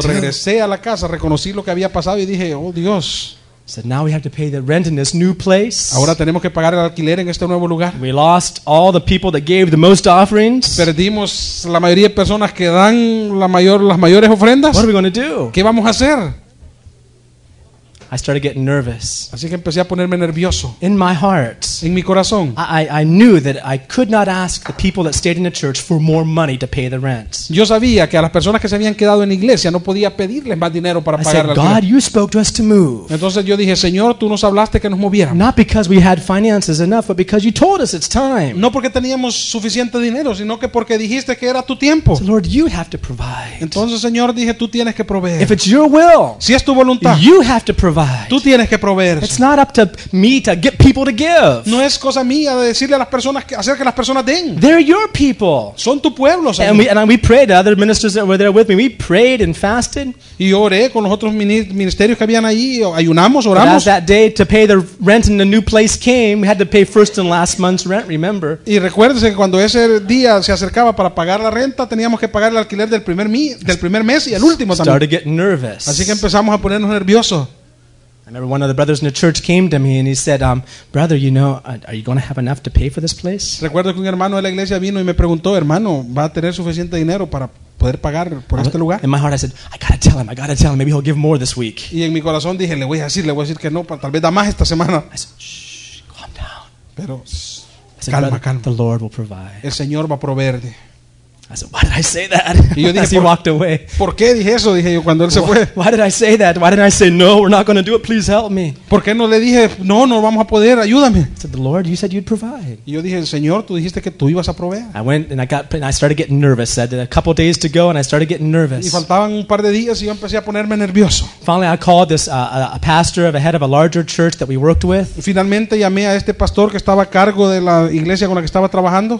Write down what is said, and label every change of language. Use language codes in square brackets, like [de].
[es] Cuando regresé a la casa, reconocí lo que había pasado y dije, "Oh Dios." [en] Said, "Now we have to pay the rent in this new place." [es] Ahora tenemos que pagar el alquiler en este nuevo lugar. [en] We lost all the people that gave the most offerings. [es] Perdimos la mayoría de personas que dan las mayores ofrendas. [en] What are we going to do? [es] ¿Qué vamos a hacer? [en] I started getting nervous. [es] Así que empecé a ponerme nervioso. [en] In my heart. [es] En mi corazón. [en] I knew that I could not ask the people that stayed in the church for more money to pay the rent. [es] Yo sabía que a las personas que se habían quedado en la iglesia no podía pedirles más dinero para pagar la renta. [en] God, you spoke to us to move. [es] Entonces yo dije, Señor, tú nos hablaste que nos moviéramos. [en] Not because we had finances enough, but because you told us it's time. [es] No porque teníamos suficiente dinero, sino que porque dijiste que era tu tiempo. [en] So, Lord, you have to provide. [es] Entonces, Señor, dije, tú tienes que proveer. [en] If it's your will, [es] si es tu voluntad, [en] you have to provide. provide. [es] Tú tienes que proveer. [en] It's not up to me to get people to give. [es] No es cosa mía de decirle a las personas que, hacer que las personas den. [en] They're your people. [es] Son tu pueblo, Señor. [en] And we prayed to other ministers that were there with me. We prayed and fasted. [es] Y oré con los otros ministerios que habían allí. Ayunamos, oramos. [en] But as that day to pay the rent in the new place came, we had to pay first and last month's rent, remember. [es] Y recuérdese que cuando ese día se acercaba para pagar la renta, teníamos que pagar el alquiler del primer mes y el último también. [en] Started getting nervous. [es] Así que empezamos a ponernos nerviosos. [en] I remember one of the brothers in the church came to me and he said, "Brother, you know, are you going to have enough to pay for this place?" [es] Recuerdo que un hermano de la iglesia vino y me preguntó, "Hermano, ¿va a tener suficiente dinero para poder pagar por este lugar?" [en] In my heart I said, I gotta tell him, maybe he'll give more this week. [es] Y en mi corazón dije, le voy a decir que no, tal vez da más esta semana. [en] I said, "Shh, calm down." [es] Pero calma. [en] The Lord will provide. [es] El Señor va a proveer. [en] I said, "Why did I say that?" [es] Yo dije, [en] as he walked away. [es] ¿Por qué dije eso? Dije yo cuando él se fue. [en] Why did I say that? Why didn't I say no? We're not going to do it. Please help me. [es] ¿Por qué no le dije no? No vamos a poder. Ayúdame. [en] I said, "The Lord, you said you'd provide." [es] Y yo dije, Señor, tú dijiste que tú ibas a proveer. [en] I went and I started getting nervous. I had a couple days to go, and I started getting nervous. [es] Y faltaban un par de días y yo empecé a ponerme nervioso. [en] Finally, I called this a pastor of a head of a larger church that we worked with. [es] Finalmente llamé a este pastor que estaba a cargo de la iglesia con la que estaba trabajando.